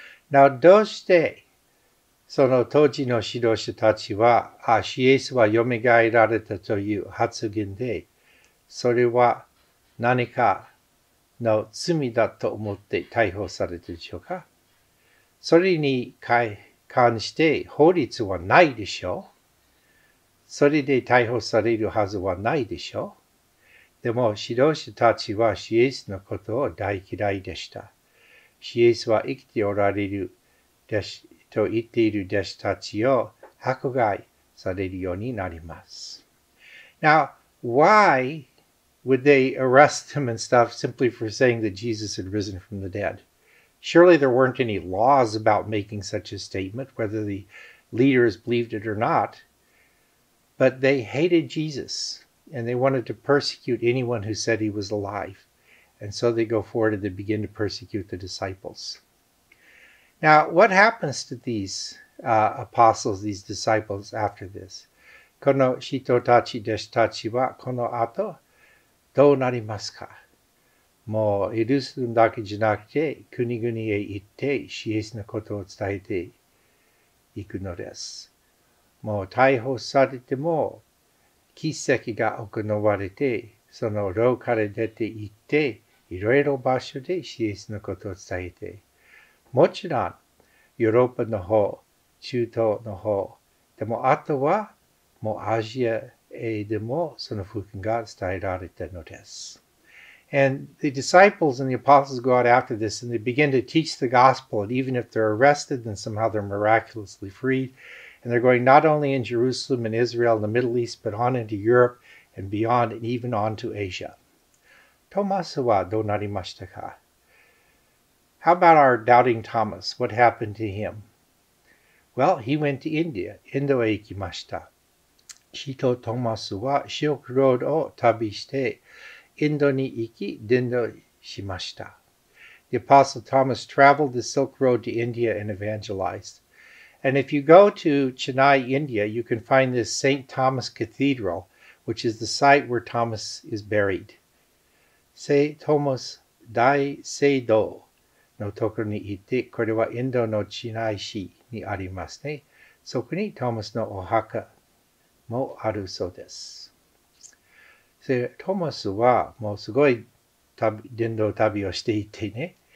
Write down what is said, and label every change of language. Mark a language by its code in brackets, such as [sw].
[en] Now, [ja] どうしてその当時の指導者たちは、イエスは蘇られたという発言で、それは何かの罪だと思って逮捕されたでしょうか？それに関して法律はないでしょう。それで逮捕されるはずはないでしょう。でも指導者たちはイエスのことを大嫌いでした。イエスは生きておられるでしと言っている弟子たちを迫害されるようになります。 [en] Now, why would they arrest them and stuff simply for saying that Jesus had risen from the dead? Surely there weren't any laws about making such a statement, whether the leaders believed it or not. But they hated Jesus, and they wanted to persecute anyone who said he was alive. And so they go forward and they begin to persecute the disciples. Now, what happens to these apostles, these disciples, after this? [ja] この人たち、弟子たちはこの後どうなりますか？もうエルサレムだけじゃなくて、国々へ行ってイエスのことを伝えていくのです。もう逮捕されても奇跡が行われて、その牢から出て行っていろいろ場所でイエスのことを伝えて、もちろん、ヨーロッパの方、中東の方、でもあとは、もうアジアへでもその福音が伝えられたのです。 [en] And the disciples and the apostles go out after this and they begin to teach the gospel and even if they're arrested, then somehow they're miraculously freed. And they're going not only in Jerusalem and Israel and the Middle East, but on into Europe and beyond and even on to Asia. [ja] トマスはどうなりましたか？ [en] How about our doubting Thomas? What happened to him? Well, he went to India. [ja] インドへ行きました。使徒トーマスはシルクロードを旅してインドに行き伝道しました。 [en] The Apostle Thomas traveled the Silk Road to India and evangelized. And if you go to Chennai, India, you can find this St. Thomas Cathedral, which is the site where Thomas is buried. St. [ja] Thomas 大聖堂のところに行って、これはインドのチェンナイ市にありますね。そこにトーマスのお墓もあるそうです。トーマスはもうすごい伝道旅をしていてね。